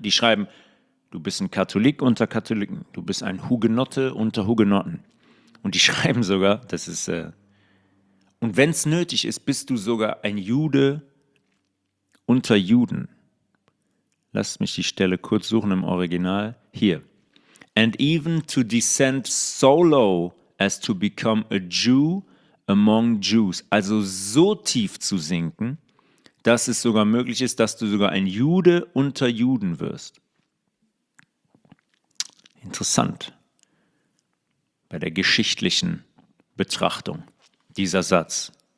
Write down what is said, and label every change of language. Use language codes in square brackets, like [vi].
[de] Die schreiben, du bist ein Katholik unter Katholiken, du bist ein Hugenotte unter Hugenotten. Und die schreiben sogar, und wenn es nötig ist, bist du sogar ein Jude unter Juden. Lasst mich die Stelle kurz suchen im Original. Hier. [en] And even to descend so low as to become a Jew among Jews. [de] Also so tief zu sinken, dass es sogar möglich ist, dass du sogar ein Jude unter Juden wirst. Interessant. Bei der geschichtlichen Betrachtung dieser Satz.